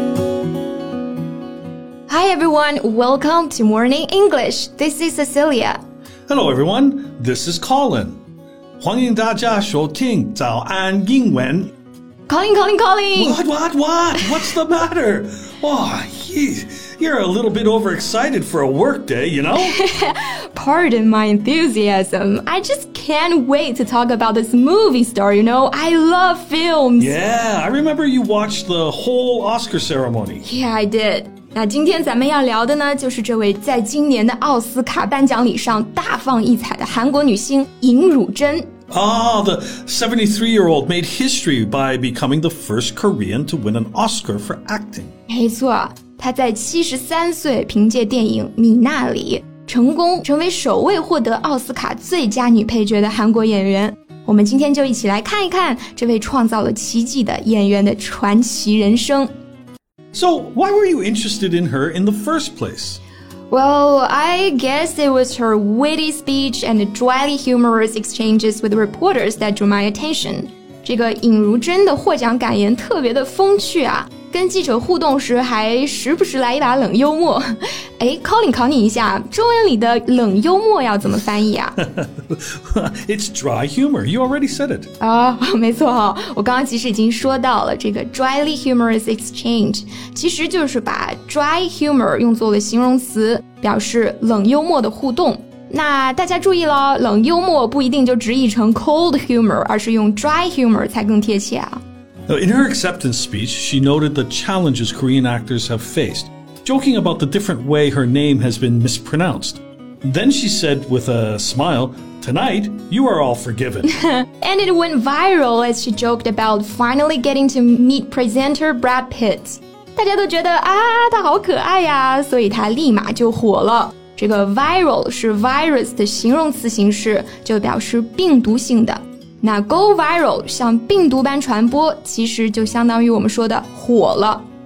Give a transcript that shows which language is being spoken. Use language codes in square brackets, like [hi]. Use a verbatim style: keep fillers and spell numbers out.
[en] Hi everyone, welcome to Morning English. This is Cecilia. Hello everyone, this is Colin. [zh] 欢迎大家收听早安英文。 [en] Colin, Colin, Colin. What, what, what? What's the matter? Oh, you, you're a little bit overexcited for a work day, you know? Pardon my enthusiasm. I just can't wait to talk about this movie star, you know? I love films. Yeah, I remember you watched the whole Oscar ceremony. Yeah, I did. [zh] 那今天咱们要聊的呢，就是这位在今年的奥斯卡颁奖礼上大放异彩的韩国女星尹汝贞。 [en] Ah, the seventy-three-year-old made history by becoming the first Korean to win an Oscar for acting. [zh] 没错，她在seventy-three岁凭借电影《米娜里》成功成为首位获得奥斯卡最佳女配角的韩国演员。我们今天就一起来看一看这位创造了奇迹的演员的传奇人生。 [en] So, why were you interested in her in the first place? Well, I guess it was her witty speech and dryly humorous exchanges with reporters that drew my attention. [zh] 这个尹汝贞的获奖感言特别的风趣啊，跟记者互动时还时不时来一把冷幽默。哎 Colin 考你一下，中文里的冷幽默要怎么翻译啊？ [en] It's dry humor, you already said it. [zh] 啊、oh, 没错、哦、我刚刚其实已经说到了这个 [en] dryly humorous exchange, [zh] 其实就是把 dry humor 用作了形容词，表示冷幽默的互动。那大家注意了，冷幽默不一定就直译成 cold humor, 而是用 dry humor 才更贴切啊。 [en] In her acceptance speech, she noted the challenges Korean actors have faced, joking about the different way her name has been mispronounced. Then she said with a smile, "Tonight, you are all forgiven." And it went viral as she joked about finally getting to meet presenter Brad Pitt. [zh] 大家都觉得啊，他好可爱呀，所以他立马就火了。这个 viral 是 virus 的形容词形式，就表示病毒性的。那 go viral 像病毒般传播，其实就相当于我们说的火了。